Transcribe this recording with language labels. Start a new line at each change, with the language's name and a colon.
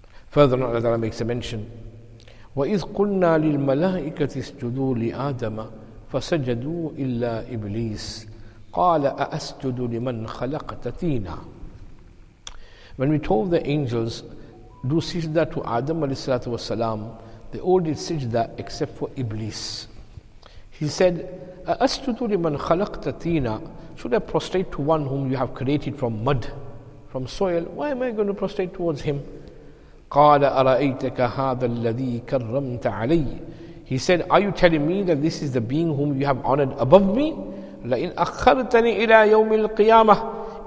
English: Further on, Allah makes a mention.
Arabic: وَإِذْ قُلْنَا لِلْمَلَائِكَةِ اسْجُدُوا لِآدَمَ فسجدوا إلا إبليس قال أأسجد لمن خلقت تينا.
English: When we told the angels, do sijda to Adam alayhi salatu wasalam, they all did sijda except for Iblis. He said,
Arabic: أَأَسْجُدُ لِمَنْ خَلَقْتَ تِينَ.
English: Should I prostrate to one whom you have created from mud, from soil? Why am I going to prostrate towards him?
Arabic: قَالَ أَرَأَيْتَكَ هَذَا الَّذِي كَرَّمْتَ عَلَيِّ.
English: He said, are you telling me that this is the being whom you have honored above me?
Arabic: لَإِنْ أَخَّرْتَنِ إِلَى يَوْمِ الْقِيَامَةِ.